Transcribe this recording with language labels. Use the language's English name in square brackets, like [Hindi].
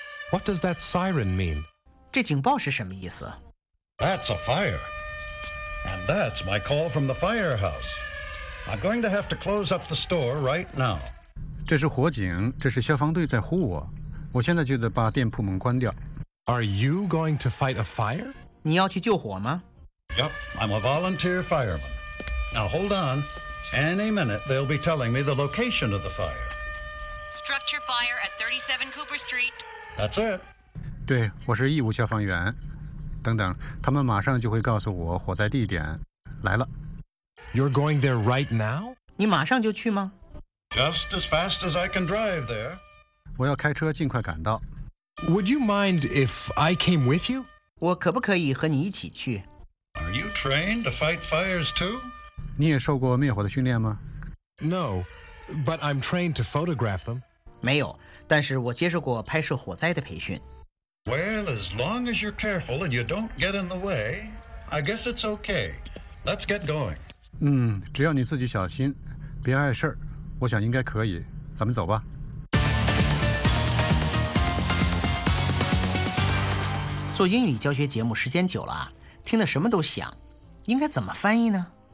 [English] What does that siren mean? [Chinese] 这警报是什么意思？ [English] That's a fire. And that's my call from the firehouse. I'm going to have to close up the store right now. [Chinese] 这是火警，这是消防队在呼我。我现在就得把店铺门关掉。 [English] Are you going to fight a fire? [Chinese] 你要去救火吗？ [English] Yep, I'm a volunteer fireman. Now hold on. Any minute they'll be telling me the location of the fire. Structure fire at 37 Cooper Street. That's it. [Chinese] 对，我是义务消防员。等等，他们马上就会告诉我火灾地点。来了。 [English] You're going there right now? [Chinese] 你马上就去吗？ [English] Just as fast as I can drive there. [Chinese] 我要开车尽快赶到。 [English] Would you mind if I came with you? [Chinese] 我可不可以和你一起去？ [English] Are you trained to fight fires too? [Chinese] 你也受过灭火的训练吗 [English] ？No, but I'm trained to photograph them. [Chinese] 没有，但是我接受过拍摄火灾的培训。 [English] Well, as long as you're careful and you don't get in the way, I guess it's okay. Let's get going. [Chinese] 只要你自己小心，别碍事儿，我想应该可以。咱们走吧。做英语教学节目时间久了，听得什么都想，应该怎么翻译呢？